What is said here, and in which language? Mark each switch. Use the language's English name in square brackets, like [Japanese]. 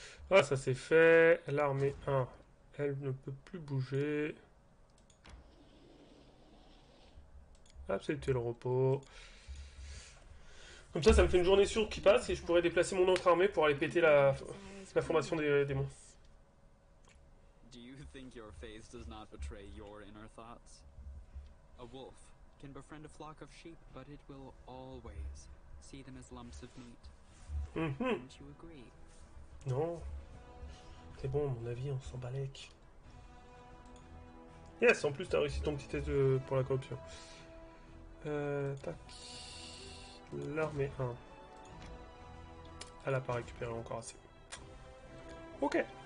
[French] Ça c'est fait. L'armée 1. Elle ne peut plus bouger. Accepter le repos. Comme ça me fait une journée sûre qui passe et je pourrais déplacer mon autre armée pour aller péter la formation des démons. [English] Do you think your face does not betray your inner thoughts? A wolf can befriend a flock of sheep, but it will always see them as lumps of meat. Don't you agree? [French] Non. C'est bon, mon avis, on s'en balèque. Yes, en plus, t'as réussi ton petit test pour la corruption. Tac. L'armée 1. Elle n'a pas récupéré encore assez. Ok.